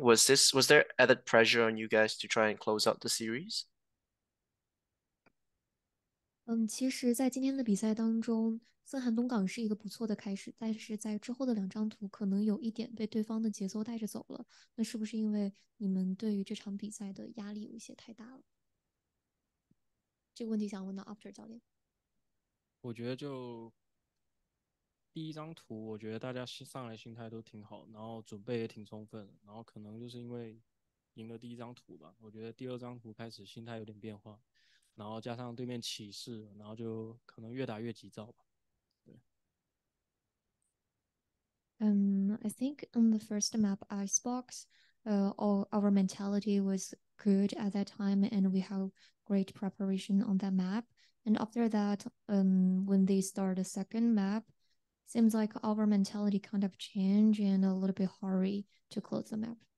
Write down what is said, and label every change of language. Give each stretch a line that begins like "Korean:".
English: Was there added pressure on you guys to try and close out the series?
Chinese: 其实，在今天的比赛当中，森寒东港是一个不错的开始，但是在之后的两张图，可能有一点被对方的节奏带着走了。那是不是因为你们对于这场比赛的压力有一些太大了？这个问题想问到 After 教练。我觉得就第一张图，我觉得大家上来心态都挺好，然后准备也挺充分，然后可能就是因为赢了第一张图吧，我觉得第二张图开始心态有点变化，然后加上对面起势，然后就可能越打越急躁吧。
English: I think on the first map, Icebox, all our mentality was good at that time, and we have great preparation on that map. And after that, when they start a second map, seems like our mentality kind of change and a little bit hurry to close the map.